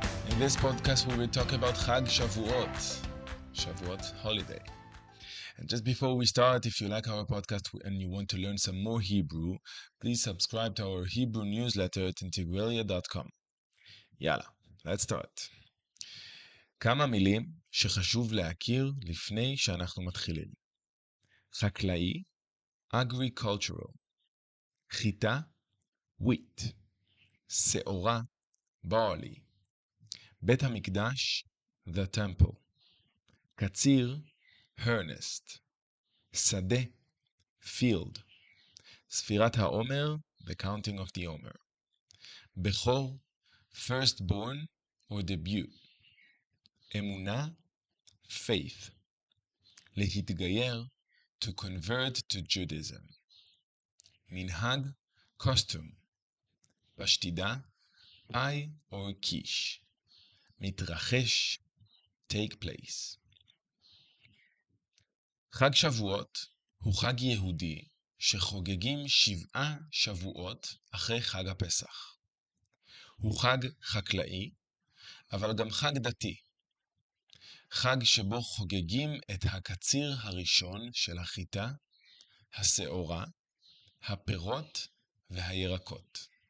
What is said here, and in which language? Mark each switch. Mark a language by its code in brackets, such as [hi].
[en] In this podcast we will talk about Chag Shavuot, Shavuot holiday. And just before we start, if you like our podcast and you want to learn some more Hebrew, please subscribe to our Hebrew newsletter at integralia.com. יאללה, let's start. [he] כמה מילים שחשוב להכיר לפני שאנחנו מתחילים. חקלאי, agricultural. חיטה, wheat. שעורה, barley. בית המקדש, the temple. קציר, harnessed. שדה, field. [en] ספירת העומר, the counting of the עומר. בכור, firstborn or debut. [he] אמונה, faith. [en] להתגייר, to convert to Judaism. [he] מנהג, costume. [en] פשטידה, pie or quiche. מתרחש, take place. [he] חג שבועות הוא חג יהודי שחוגגים שבעה שבועות אחרי חג הפסח. הוא חג חקלאי, אבל גם חג דתי. חג שבו חוגגים את הקציר הראשון של החיטה, השעורה, הפירות והירקות.